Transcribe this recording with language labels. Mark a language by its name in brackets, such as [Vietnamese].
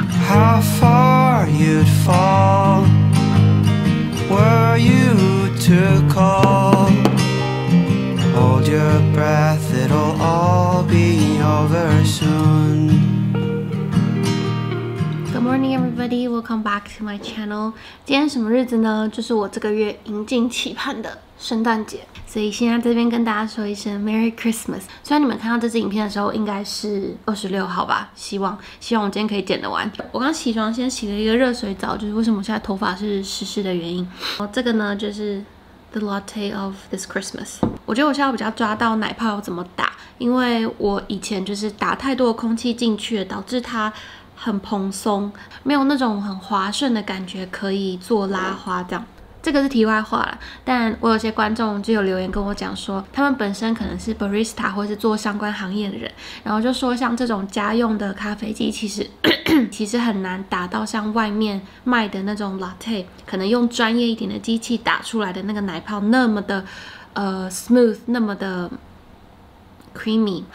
[English] How far you'd fall, were you to call? Hold your breath, it'll all be over soon. Good morning, everybody. Welcome back to my channel. [Chinese] 今天什么日子呢？就是我这个月迎进期盼的圣诞节，所以现在这边跟大家说一声 [English] Merry Christmas。 [Chinese] 虽然你们看到这支影片的时候应该是26号吧，希望我今天可以剪得完。我刚起床，先洗了一个热水澡，就是为什么我现在头发是湿湿的原因。然后这个呢，就是 [English] The latte of this Christmas. [Chinese] 我觉得我现在比较抓到奶泡要怎么打，因为我以前就是打太多的空气进去了，导致它很蓬松，没有那种很滑顺的感觉，可以做拉花这样。这个是题外话了，但我有些观众就有留言跟我讲说，他们本身可能是 barista 或是做相关行业的人，然后就说像这种家用的咖啡机其实很难打到像外面卖的那种 latte， 可能用专业一点的机器打出来的那个奶泡那么的smooth， 那么的 creamy。